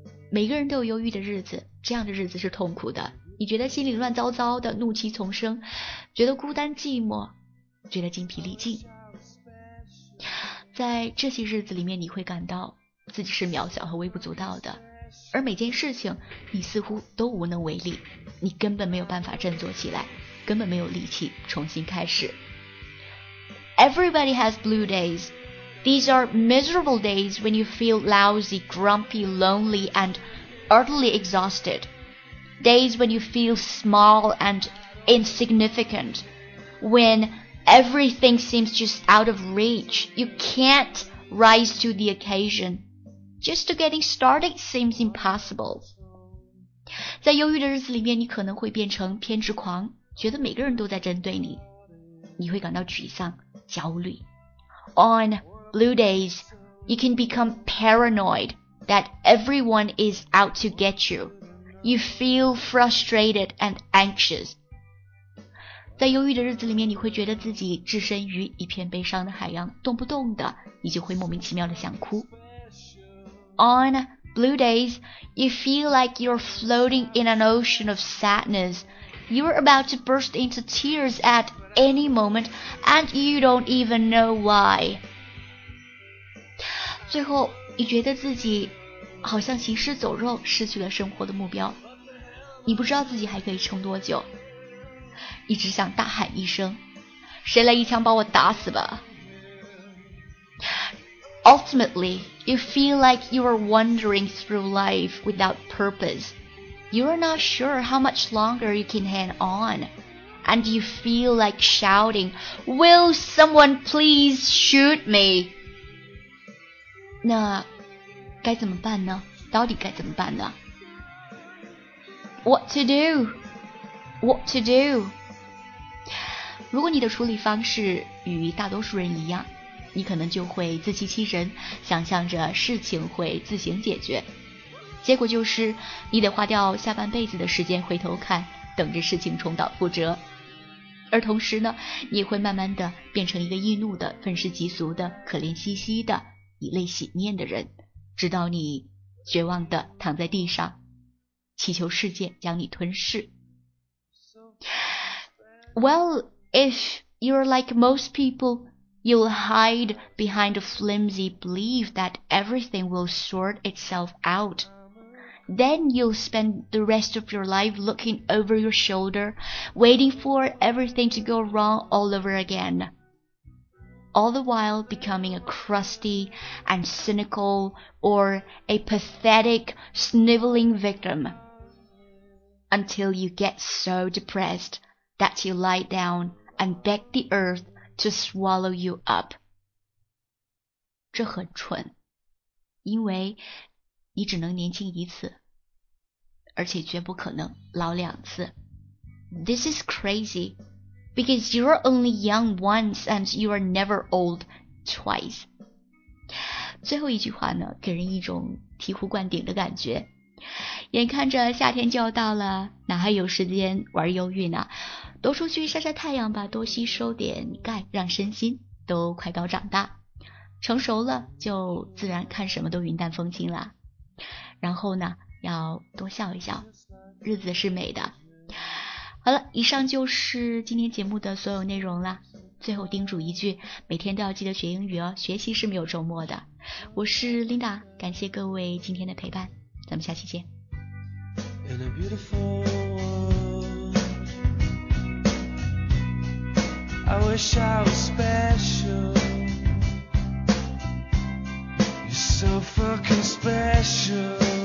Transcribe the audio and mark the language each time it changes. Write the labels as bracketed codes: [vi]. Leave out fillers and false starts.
[zh] 每个人都有忧郁的日子，这样的日子是痛苦的，你觉得心里乱糟糟的，怒气丛生，觉得孤单寂寞，觉得精疲力尽。在这些日子里面，你会感到自己是渺小和微不足道的，而每件事情你似乎都无能为力，你根本没有办法振作起来，根本没有力气重新开始。 [en] Everybody has blue days. These are miserable days when you feel lousy, grumpy, lonely and utterly exhausted. Days when you feel small and insignificant. WhenEverything seems just out of reach. You can't rise to the occasion. Just getting started seems impossible. [zh] 在忧郁的日子里面，你可能会变成偏执狂，觉得每个人都在针对你。你会感到沮丧、焦虑。 [en] On blue days, you can become paranoid that everyone is out to get you. You feel frustrated and anxious. [zh] 在忧郁的日子里面，你会觉得自己置身于一片悲伤的海洋，动不动的你就会莫名其妙的想哭。 [en] On blue days, you feel like you're floating in an ocean of sadness. You're about to burst into tears at any moment and you don't even know why. [zh] 最后你觉得自己好像行尸走肉，失去了生活的目标，你不知道自己还可以撑多久，一直想大喊一声，谁来一枪把我打死吧。 [en] Ultimately, you feel like you are wandering through life without purpose. You are not sure how much longer you can hang on. And you feel like shouting, Will someone please shoot me? [zh] 那该怎么办呢？到底该怎么办呢？ [en] What to do? What to do? [zh] 如果你的处理方式与大多数人一样，你可能就会自欺欺人，想象着事情会自行解决，结果就是你得花掉下半辈子的时间回头看，等着事情重蹈覆辙。而同时呢，你会慢慢的变成一个易怒的、愤世嫉俗的、可怜兮兮的、以泪洗面的人，直到你绝望的躺在地上，祈求世界将你吞噬。 [en] WellIf you're like most people, you'll hide behind a flimsy belief that everything will sort itself out. Then you'll spend the rest of your life looking over your shoulder, waiting for everything to go wrong all over again. All the while becoming a crusty and cynical or a pathetic, sniveling victim. Until you get so depressed that you lie down. And beg the earth to swallow you up. [zh] 这很蠢，因为你只能年轻一次，而且绝不可能老两次。 [en] This is crazy, because you are only young once and you are never old twice. [zh] 最后一句话呢，给人一种醍醐灌顶的感觉。眼看着夏天就要到了，哪还有时间玩忧郁呢？多出去晒晒太阳吧，多吸收点钙，让身心都快高长大。成熟了就自然看什么都云淡风轻了。然后呢，要多笑一笑，日子是美的。好了，以上就是今天节目的所有内容了。最后叮嘱一句，每天都要记得学英语哦，学习是没有周末的。我是 Linda， 感谢各位今天的陪伴，咱们下期见。 [en] In a beautiful world, I wish I was special. You're so fucking special.